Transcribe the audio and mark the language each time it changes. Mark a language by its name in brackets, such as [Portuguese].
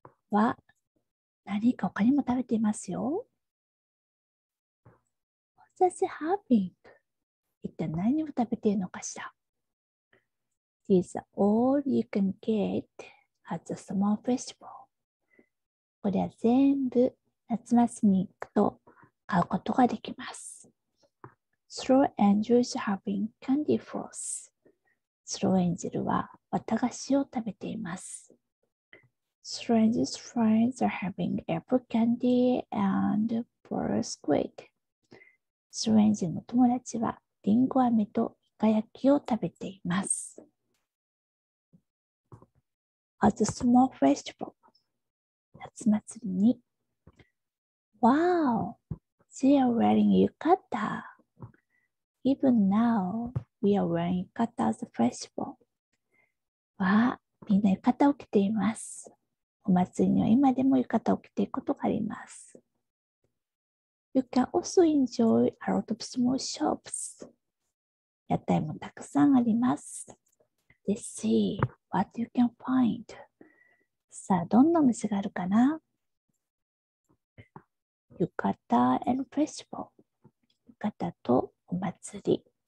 [Japanese] は何か他にも食べていますよ。 [English] What's she having? [Japanese] 一体何を食べているのかしら。 [English] This all you can get at the summer festival. [Japanese] これは全部夏祭りに行くと買うことができます。 [English] Slow Angel is having candy floss. [Japanese] Slow Angel は綿菓子を食べています。 [English] Strange's friends are having apple candy and butter squid. [Japanese] Strange の友達はリンゴ飴とイカ焼きを食べています。 [English] At a small festival, [Japanese] 夏祭りに。 [English] Wow, they are wearing yukata. Even now, we are wearing yukata at the festival. [Japanese] わあ、みんな浴衣を着ています。お祭りには今でも浴衣を着ていくことがあります。 [English] You can also enjoy a lot of small shops. [Japanese] 屋台もたくさんあります。 [English] Let's see what you can find. [Japanese] さあ、どんなお店があるかな? 浴衣 [English] and festival. [Japanese] 浴衣とお祭り。